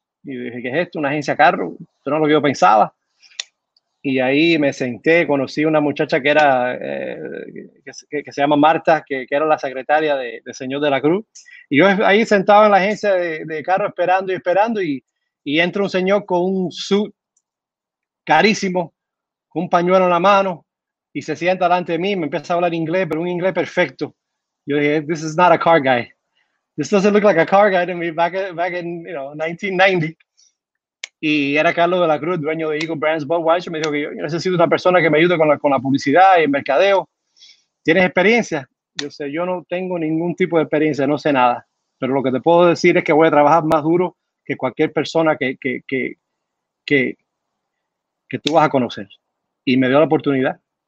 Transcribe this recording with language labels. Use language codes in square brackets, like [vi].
[es] Y dije, ¿qué es esto? ¿Una agencia carro? Esto no es lo que yo pensaba. Y ahí me senté, conocí una muchacha que era que se llama Marta, que era la secretaria de Señor de la Cruz. Y yo ahí sentado en la agencia de carro esperando y entra un señor con un suit carísimo, con un pañuelo en la mano y se sienta delante de mí y me empieza a hablar inglés, pero un inglés perfecto. [en] Yo dije, this is not a car guy. This doesn't look like a car guy to me back in 1990. [es] Y era Carlos de la Cruz, dueño de Eagle Brands Budweiser. Me dijo que yo necesito una persona que me ayude con la publicidad y el mercadeo. ¿Tienes experiencia? Yo sé, yo no tengo ningún tipo de experiencia, no sé nada. Pero lo que te puedo decir es que voy a trabajar más duro que cualquier persona que tú vas a conocer. Y me dio la oportunidad.